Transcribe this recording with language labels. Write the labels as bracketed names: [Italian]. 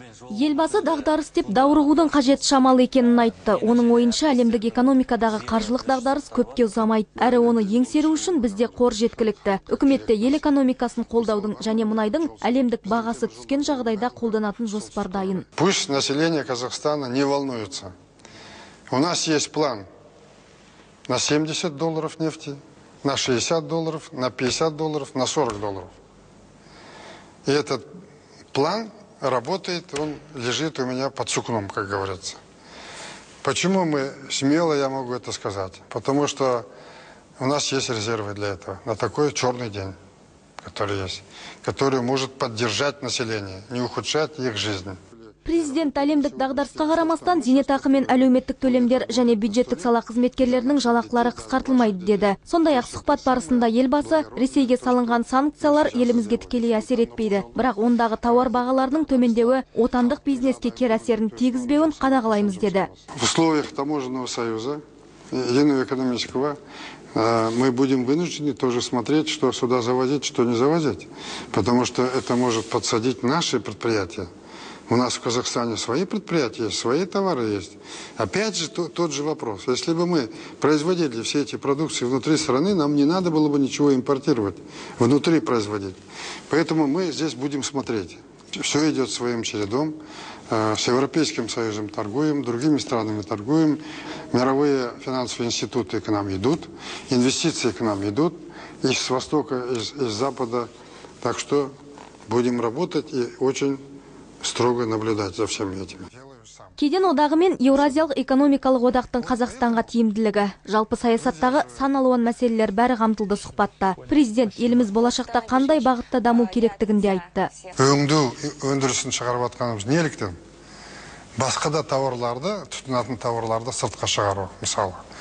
[Kazakh] Елбасы дағдарыс деп даурығудың қажет шамалы екенін айтты. Оның ойынша әлемдік экономикадағы қаржылық дағдарыс көпке ұзамайды. Әрі оны еңсеру үшін бізде қор жеткілікті. Үкіметте ел экономикасын қолдаудың және мұнайдың әлемдік бағасы түскен жағдайда қолданатын жоспар дайын. [Russian] Пусть население Казахстана не волнуется. У нас есть план на 70 долларов нефти, на 60 долларов, на 50 долларов, на 40 долларов. И этот план работает, он лежит у меня под сукном, как говорится. Почему мы смело, я могу это сказать? Потому что у нас есть резервы для этого. На такой черный день, который есть, который может поддержать население, не ухудшать их жизнь. [Kazakh] Президент әлемдік дағдарысқа қарамастан зейнетақы мен әлеуметтік төлемдер және бюджеттік сала қызметкерлерінің жалақылары қысқартылмайды деді. Сондай-ақ сұхбат барысында елбасы Ресейге салынған санкциялар елімізге тікелей әсер етпейді, бірақ ондағы тауар бағаларының төмендеуі отандық бизнеске кер әсерін тигізбеуін қадағалаймыз деді. [Russian] В условиях таможенного союза, единого экономического, мы будем вынуждены тоже смотреть, что сюда завозить, что не завозить, потому что это может подсадить наши предприятия. У нас в Казахстане свои предприятия, свои товары есть. Опять же тот же вопрос. Если бы мы производили все эти продукции внутри страны, нам не надо было бы ничего импортировать, внутри производить. Поэтому мы здесь будем смотреть. Все идет своим чередом. С Европейским Союзом торгуем, другими странами торгуем. Мировые финансовые институты к нам идут, инвестиции к нам идут. И с Востока, и с Запада. Так что будем работать и очень строго наблюдать за всем этим. [Kazakh] Кеден одағы мен Еуразиялық экономикалық одақтың Қазақстанға тиімділігі. Жалпы саясаттағы сан алуан мәселелер бәрі қамтылды сұхбатта. Президент еліміз болашақта қандай бағытта даму керектігінде айтты. Өңді өндірісін шығарып атқанымыз неліктен? Басқа да тауарларды, тұтынатын тауарларды сыртқа шығару, мысалы.